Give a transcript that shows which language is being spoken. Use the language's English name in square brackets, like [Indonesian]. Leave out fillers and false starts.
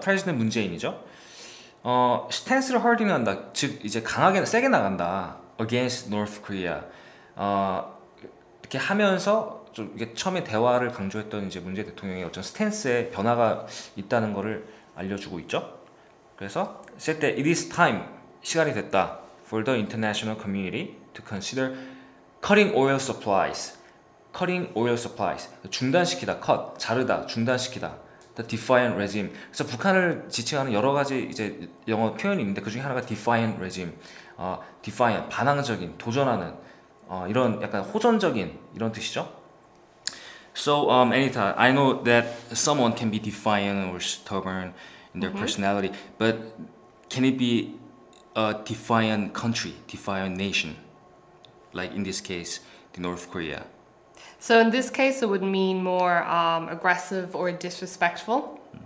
[Korean] 프레지던트 문재인이죠. 스탠스를 hardening한다. 즉 이제 강하게 세게 나간다. [English] against North Korea. [Korean] 이렇게 하면서 좀 이게 처음에 대화를 강조했던 이제 문재인 대통령의 어떤 스탠스에 변화가 있다는 것을 알려주고 있죠. [English] 그래서 said that it is time [Korean] 시간이 됐다 [English] for the international community to consider cutting oil supplies. Cutting oil supplies 중단시키다, cut [Korean] 자르다, 중단시키다. [English] The defiant regime. [Korean] 그래서 북한을 지칭하는 여러 가지 이제 영어 표현이 있는데 그 중에 하나가 defiant regime. Defiant 반항적인, 도전하는. 이런 약간 호전적인 이런 뜻이죠. [English] So Anita, I know that someone can be defiant or stubborn in their personality, but can it be a defiant country, defiant nation, like in this case, the North Korea? So in this case, it would mean more aggressive or disrespectful.